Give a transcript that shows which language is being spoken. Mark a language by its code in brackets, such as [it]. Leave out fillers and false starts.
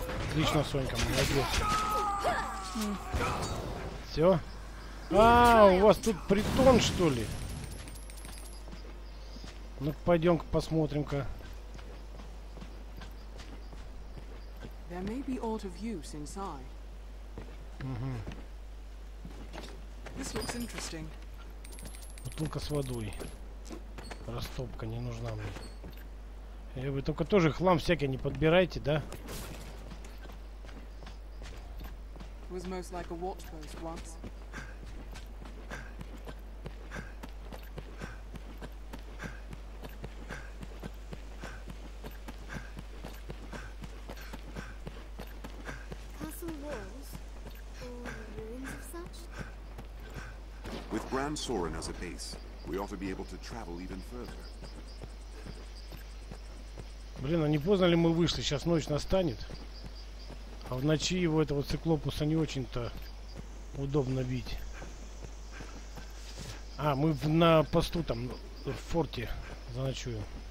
[ru] Отлично, Сонька, молодец. Все. А, у вас тут притон, что ли? Ну, пойдем-ка посмотрим-ка. [en] There may be aught of use inside. Угу. This looks interesting. [ru] Бутылка с водой. Растопка не нужна мне. Я бы только тоже хлам всякий не подбирайте, да? [en] Was most like a watch post once. Castle walls or ruins of such? With Grand Sorin as a base, we ought to be able to travel even further. [ru] Блин, а не поздно ли мы вышли? Сейчас ночь настанет. А в ночи его, этого циклопуса, не очень-то удобно бить. А, мы на посту там, в форте, заночуем.